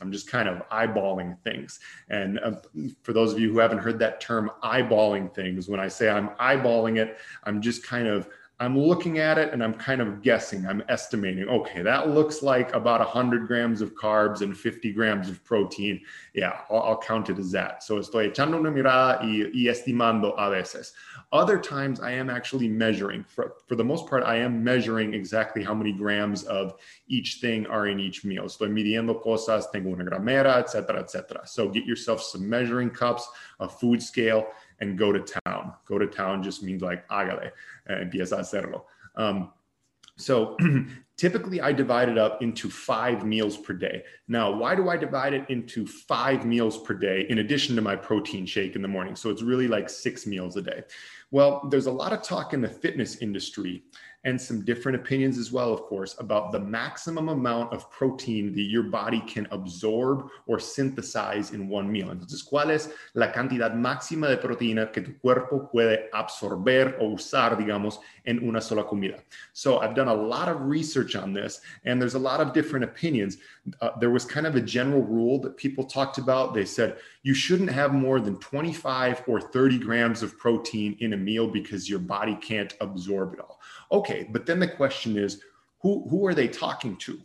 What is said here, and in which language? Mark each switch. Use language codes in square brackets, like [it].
[en] I'm just kind of eyeballing things. And for those of you who haven't heard that term, eyeballing things, when I say I'm eyeballing it, I'm looking at it and I'm kind of guessing, I'm estimating, okay, that looks like about 100 grams of carbs and 50 grams of protein. Yeah, I'll count it as that. [es] So estoy echando una mirada y estimando a veces. [en] Other times I am actually measuring. For the most part, I am measuring exactly how many grams of each thing are in each meal. [es] Estoy midiendo cosas, tengo una gramera, et cetera, et cetera. [en] So get yourself some measuring cups, a food scale, and go to town. Go to town just means like [es] hágale, empieza a hacerlo. [en] So typically I divide it up into five meals per day. Now, why do I divide it into five meals per day in addition to my protein shake in the morning? So it's really like six meals a day. Well, there's a lot of talk in the fitness industry and some different opinions as well, of course, about the maximum amount of protein that your body can absorb or synthesize in one meal. [es] Entonces, ¿cuál es la cantidad máxima de proteína que tu cuerpo puede absorber o usar, digamos, en una sola comida? [en] So I've done a lot of research on this, and there's a lot of different opinions. There was kind of a general rule that people talked about. They said you shouldn't have more than 25 or 30 grams of protein in a meal because your body can't absorb it all. Okay, but then the question is, who are they talking to?